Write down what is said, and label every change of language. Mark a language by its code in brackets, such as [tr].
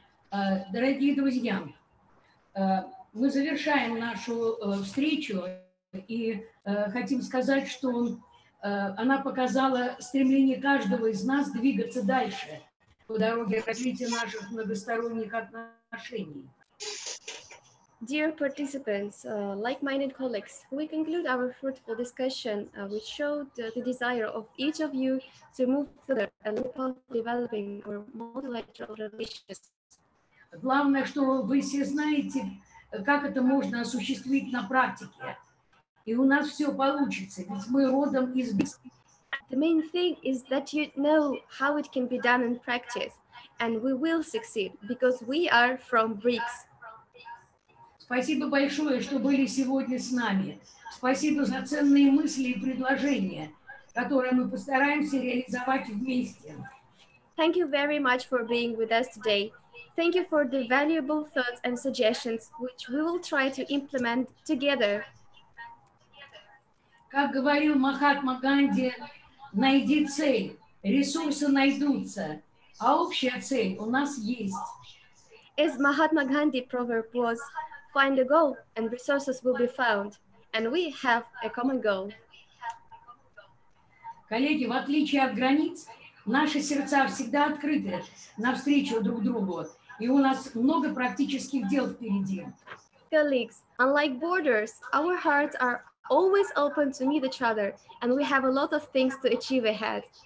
[ru] Дорогие друзья, мы завершаем нашу встречу и хотим сказать, что она показала стремление каждого из нас двигаться дальше по дороге развития наших многосторонних отношений. [en] Dear participants, like-minded colleagues, we conclude our fruitful discussion, which showed the desire of each of you to move further and developing our multilateral relations. [ru] Главное, что вы все знаете, как это можно осуществить на практике, и у нас все получится, ведь мы родом из. [en] The main thing is that you know how it can be done in practice, and we will succeed because we are from BRICS. [ru] Спасибо большое, что были сегодня с нами. Спасибо за ценные мысли и предложения, которые мы постараемся реализовать вместе. [en] Thank you very much for being with us today. Thank you for the valuable thoughts and suggestions, which we will try to implement together. [ru] Как говорил Махатма Ганди, найди цель, ресурсы найдутся, а общая цель у нас есть. [en] As Mahatma Gandhi proverb was, find a goal and resources will be found, and we have a common goal. [ru] Коллеги, в отличие от границ, наши сердца всегда открыты навстречу друг другу, и у нас много практических дел впереди. [en] Colleagues, unlike borders, our hearts are always open to meet each other, and we have a lot of things to achieve ahead.